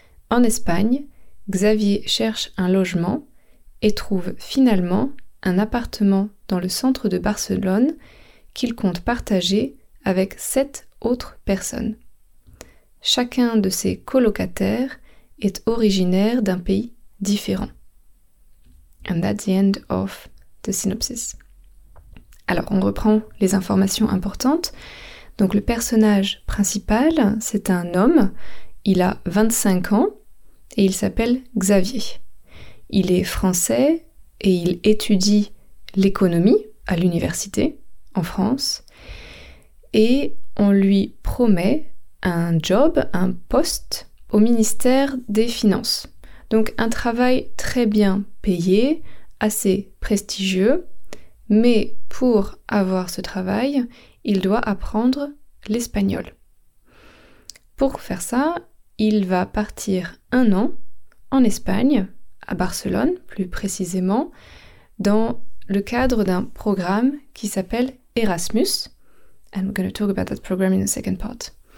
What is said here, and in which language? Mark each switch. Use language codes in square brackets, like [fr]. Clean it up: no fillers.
[fr] En Espagne, Xavier cherche un logement et trouve finalement un appartement dans le centre de Barcelone qu'il compte partager avec 7 autres personnes. Chacun de ses colocataires est originaire d'un pays différent. [en] And that's the end of the synopsis. [fr] Alors, on reprend les informations importantes. Donc, le personnage principal, c'est un homme. Il a 25 ans et il s'appelle Xavier. Il est français et il étudie l'économie à l'université en France. Et on lui promet un job, un poste au ministère des Finances. Donc un travail très bien payé, assez prestigieux, mais pour avoir ce travail, il doit apprendre l'espagnol. Pour faire ça, il va partir un an en Espagne, à Barcelone plus précisément, dans le cadre d'un programme qui s'appelle Erasmus. [en] And we're going to talk about that program in the second part.